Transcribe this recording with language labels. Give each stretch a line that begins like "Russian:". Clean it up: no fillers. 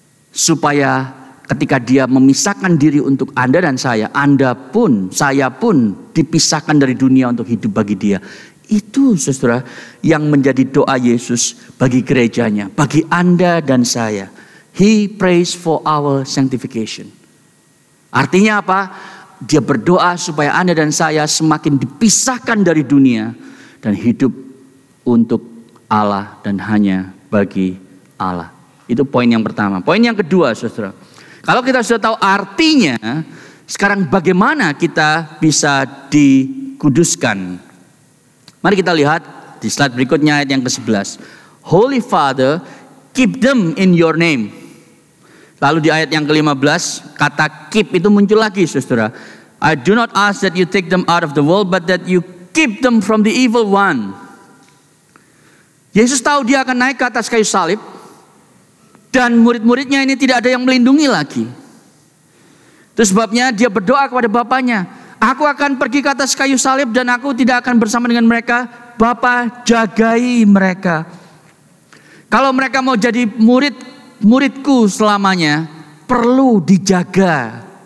Indonesian: Supaya ketika dia memisahkan diri untuk Anda dan saya, Anda pun, saya pun dipisahkan dari dunia untuk hidup bagi dia. Itu saudara yang menjadi doa Yesus bagi gerejanya, bagi Anda dan saya.
English: He prays for our sanctification.
Indonesian: Artinya apa? Dia berdoa supaya Anda dan saya semakin dipisahkan dari dunia dan hidup untuk Allah dan hanya bagi Allah. Itu poin yang pertama. Poin yang kedua, saudara. Kalau kita sudah tahu artinya, sekarang bagaimana kita bisa dikuduskan? Mari kita lihat di slide berikutnya ayat yang ke-11.
English: Holy Father, keep them in your name.
Indonesian: Lalu di ayat yang ke-15, kata keep itu muncul lagi, saudara.
English: I do not ask that you take them out of the world, but that you keep them from the evil one.
Indonesian: Yesus tahu dia akan naik ke atas kayu salib, dan murid-muridnya ini tidak ada yang melindungi lagi. Itu sebabnya dia berdoa kepada Bapanya, aku akan pergi ke atas kayu salib dan aku tidak akan bersama dengan mereka. Bapa, jagai mereka. Kalau mereka mau jadi murid-muridku selamanya, perlu dijaga.